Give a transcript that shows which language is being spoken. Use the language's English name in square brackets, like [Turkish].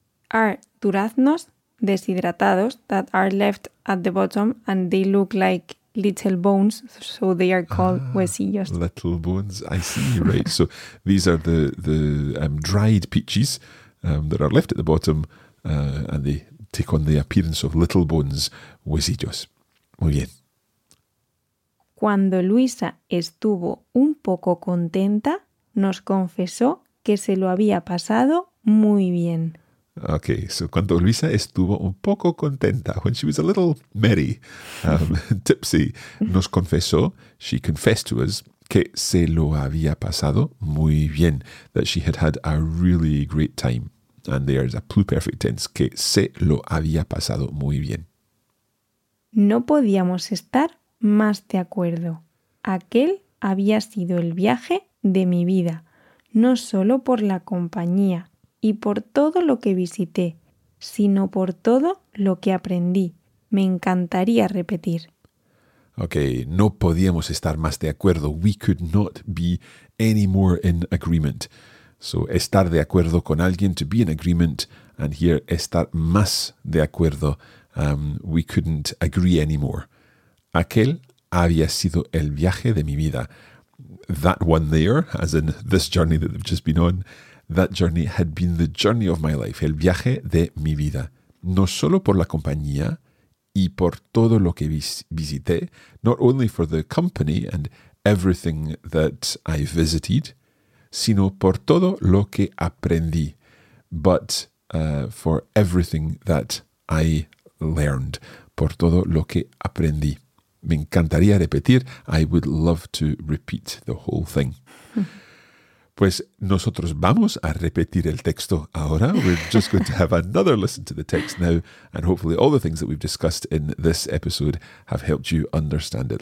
[English] Are duraznos deshidratados that are left at the bottom and they look like little bones, so they are called huesillos. Little bones, I see, right. So these are the dried peaches that are left at the bottom and they take on the appearance of little bones, huesillos. Muy bien. [Spanish] Cuando Luisa estuvo un poco contenta, nos confesó que se lo había pasado muy bien. [English] Okay, so cuando Luisa estuvo un poco contenta, when she was a little merry, tipsy, nos confesó, she confessed to us, que se lo había pasado muy bien, that she had had a really great time. And there is a pluperfect tense, que se lo había pasado muy bien. [Spanish] No podíamos estar más de acuerdo. Aquel había sido el viaje de mi vida, no solo por la compañía y por todo lo que visité, sino por todo lo que aprendí. Me encantaría repetir. Okay, no podíamos estar más de acuerdo. [English] We could not be any more in agreement. So, estar de acuerdo con alguien, to be in agreement, and here, estar más de acuerdo. We couldn't agree anymore. [Spanish] Aquel había sido el viaje de mi vida. [English] That one there, as in this journey that they've just been on, that journey had been the journey of my life, el viaje de mi vida. [Spanish] No solo por la compañía y por todo lo que visité, not only for the company and everything that I visited, sino por todo lo que aprendí, but for everything that I learned, por todo lo que aprendí. [English] Me encantaría repetir, I would love to repeat the whole thing. [Spanish] Pues nosotros vamos a repetir el texto ahora. [English] We're just going to have another listen to the text now, and hopefully all the things that we've discussed in this episode have helped you understand it.